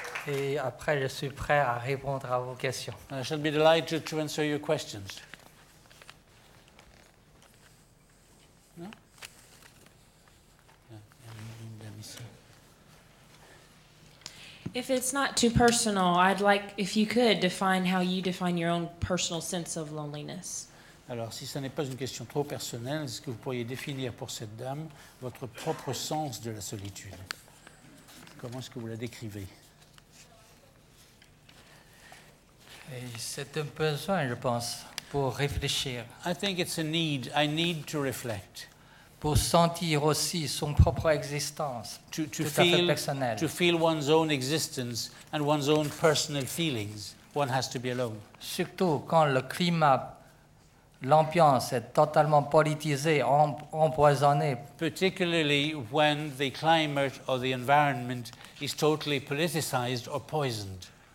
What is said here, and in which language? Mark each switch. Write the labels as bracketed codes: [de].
[fr] Et après, je suis prêt à répondre à vos questions. [en] I shall be delighted to answer your questions. If it's not too personal, I'd like, if you could, define how you define your own personal sense of loneliness. [fr] Alors, si ça n'est pas une question trop personnelle, est-ce que vous pourriez définir pour cette dame votre propre sens de la solitude? Comment est-ce que vous la décrivez? Et c'est un besoin, je pense, pour réfléchir. [en] I think it's a need. I need to reflect. [fr] Pour sentir aussi son propre existence, [en] to feel one's own existence and one's own personal feelings, one has to be alone. [fr] Surtout quand le climat, l'ambiance est totalement politisée, empoisonnée. [en] Particularly when the climate or the environment is totally politicized or poisoned.